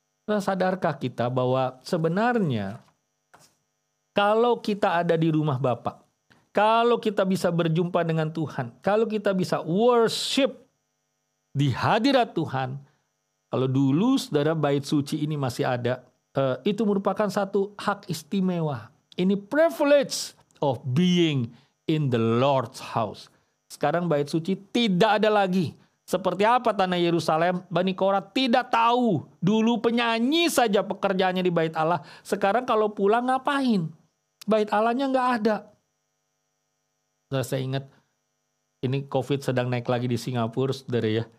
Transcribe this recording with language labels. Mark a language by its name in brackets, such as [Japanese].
[Indonesian] Nah, sadarkah kita bahwa sebenarnya kalau kita ada di rumah Bapak, kalau kita bisa berjumpa dengan Tuhan, kalau kita bisa worship di hadirat Tuhan, kalau dulu saudara bait suci ini masih ada, itu merupakan satu hak istimewa. Ini [English] privilege of being in the Lord's house. [Indonesian] Sekarang bait suci tidak ada lagi. Seperti apa tanah Yerusalem? Bani Korah tidak tahu. Dulu penyanyi saja pekerjaannya di bait Allah. Sekarang kalau pulang ngapain? Bait Allahnya nggak ada. Saya ingat ini COVID sedang naik lagi di Singapura, saudara ya.